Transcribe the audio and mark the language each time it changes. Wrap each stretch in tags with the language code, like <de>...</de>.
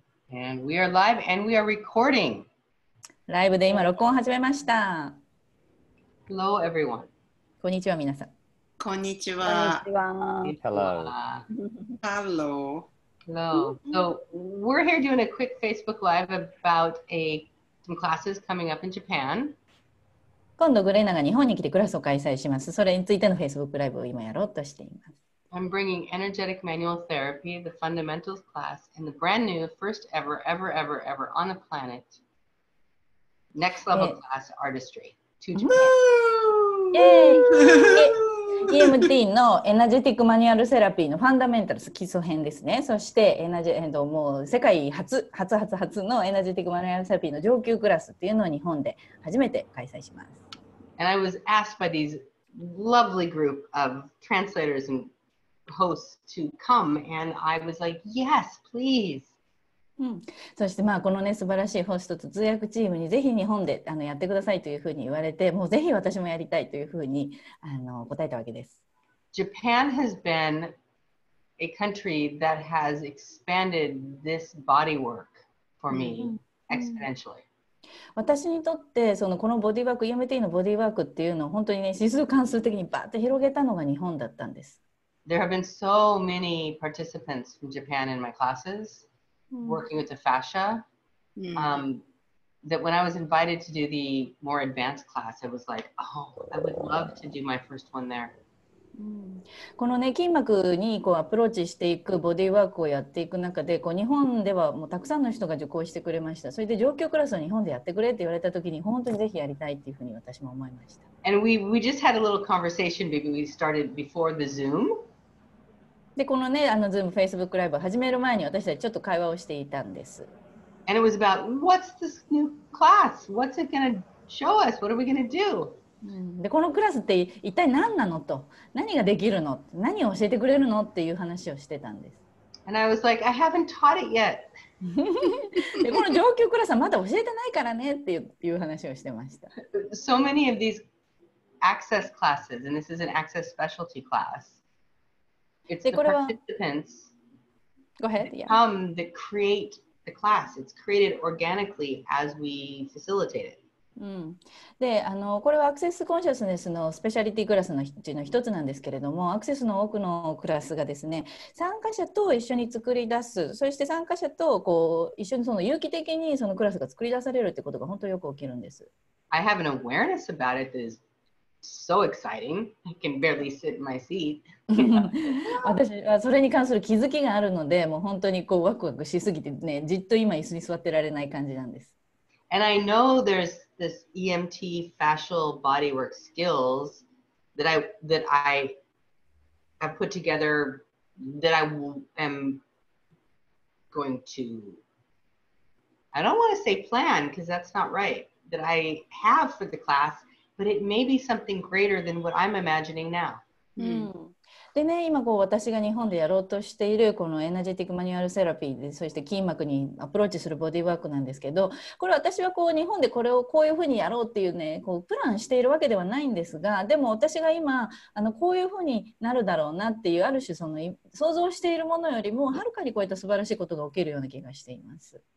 <en>And we are live and we are recording.</en> <ja>ライブで今録音始めました。</ja> <en>Hello everyone.</en> <ja>こんにちは皆さん。こんにちは。</ja> <en>Hello. Hello. Hello. So we're here doing a quick Facebook Live about some classes coming up in Japan.</en> <ja>今度グレナが日本に来てクラスを開催します。それについての Facebook ライブを今やろうとしています。</ja> <en>I'm bringing Energetic Manual Therapy, the Fundamentals class, and the brand new, first ever, ever, ever, ever on the planet, Next Level class, Artistry, to Japan.</en> <ja>Yay! EMT の Energetic Manual Therapy の Fundamentals 基礎編ですね。そしてもう世界初の Energetic Manual Therapy の上級クラスっていうのを日本で初めて開催します。</ja> <en>And I was asked by these lovely group of translators andhost to come and I was like yes please、</en> <ja>そしてまあこのね素晴らしいホストと通訳チームにぜひ日本でやってくださいというふうに言われてもうぜひ私もやりたいというふうに答えたわけです</ja> <en>Japan has been a country that has expanded this body work for me、exponentially、</en> <ja>私にとってそのこのボディーワーク EMT のボディーワークっていうのを本当にね指数関数的にバーッと広げたのが日本だったんです</ja> <en>There have been so many participants from Japan in my classes, working with the fascia, that when I was invited to do the more advanced class, I was like, oh, I would love to do my first one there.</en> <ja>このね筋膜にこうアプローチしていくボディーワークをやっていく中でこう日本ではもうたくさんの人が受講してくれましたそれで上級クラスを日本でやってくれって言われた時に本当にぜひやりたいっていうふうに私も思いました</ja> <en>And we just had a little conversation we started before the Zoom</en> <ja>でこのねZoom Facebook ライブを始める前に私たちちょっと会話をしていたんです</ja> <en>And it was about what's this new class? What's it gonna show us? What are we gonna do?</en> <ja>でこのクラスって一体何なのと何ができるの何を教えてくれるのっていう話をしてたんです。</ja> <en>And I was like, I haven't taught it yet.</en> <ja>でこの上級クラスはまだ教えてないからねっていう話をしてました。</ja> <en>So many of these access classes, and this is an access specialty class, it's the participants Go ahead, that create the class. It's created organically as we facilitate it.</en> <ja>でこれはアクセスコンシャスネスのスペシャリティクラスのうちの一つなんですけれどもアクセスの多くのクラスがですね参加者と一緒に作り出すそして参加者とこう一緒にその有機的にそのクラスが作り出されるってことが本当によく起きるんです</ja> <en>I have an awareness about it that is so exciting I can barely sit in my seat</en> <ja>私はそれに関する気づきがあるのでもう本当にこうワクワクしすぎてねじっと今椅子に座ってられない感じなんです</ja> <en>And I know there's this EMT fascial bodywork skills that I have put together that I am going to, I don't want to say plan because that's not right, that I have for the class, but it may be something greater than what I'm imagining now.</en> <ja>でね、今こう私が日本でやろうとしているこのエナジェティックマニュアルセラピーでそして筋膜にアプローチするボディーワークなんですけどこれ私はこう日本でこれをこういうふうにやろうっていうねこうプランしているわけではないんですがでも私が今こういうふうになるだろうなっていうある種その想像しているものよりもはるかに超えた素晴らしいことが起きるような気がしています</ja>